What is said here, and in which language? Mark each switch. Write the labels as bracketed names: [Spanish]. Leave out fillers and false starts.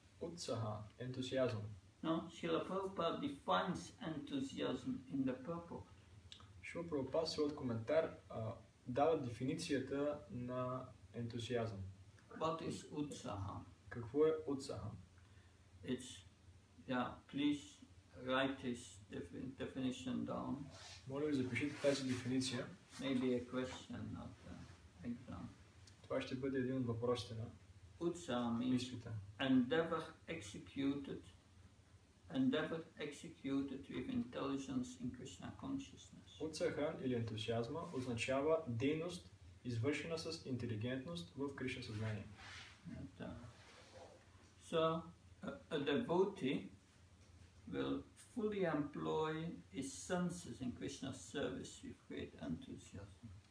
[Bulgarian] Utsaha, ентузиазъм. [English] No, Srila Prabhupada defines enthusiasm in the purport. [Bulgarian] Шрила Прабхупада в своят коментар дава дефиницията на ентузиазъм. [English] What is utsaha? [Bulgarian] Какво е utsaha? [English] It's, yeah, please write this definition down. [Bulgarian] Моля ви, запишете тази дефиниция. [English] Maybe a question, not an exam. [Bulgarian] Това ще бъде един от въпросите на [English] utsaha means endeavor executed with intelligence in Krishna consciousness. [Bulgarian] Utsaha или ентузиазма означава дейност, извършена с интелигентност в Кришна съзнание. [English] So, a devotee will fully employ his senses in Krishna's service with great enthusiasm.